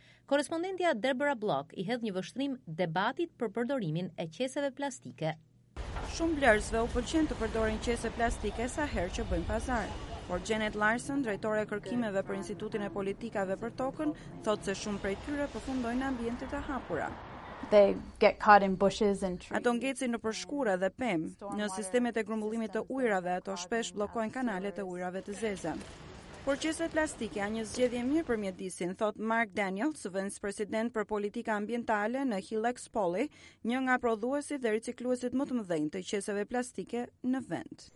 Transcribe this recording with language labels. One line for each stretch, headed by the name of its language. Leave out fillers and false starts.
Albanian: Korrespondentja Deborah Block i hedh një vështrim debatit për përdorimin e qeseve plastike. Shumë blerësve u pëlqen të përdorin qese plastike sa herë që bëjnë pazar. Por Janet Larson, drejtore e kërkimeve për Institutin e Politikave për Tokën, thotë se shumë prej tyre përfundojnë në ambientet e hapura.
English: They get caught in bushes and trees.
Albanian: Ato ngecin në përshkura dhe pemë. Në sistemet e grumbullimit të ujrave, ato shpesh bllokojnë kanalet e ujrave të zeze. Por qeset plastike janë një zgjedhje mirë për mjedisin, thot Mark Daniels, vice president për politika ambientale në Hillex Poly, një nga prodhuesit dhe ricikluesit më të mëdhenj të qeseve plastike në vend.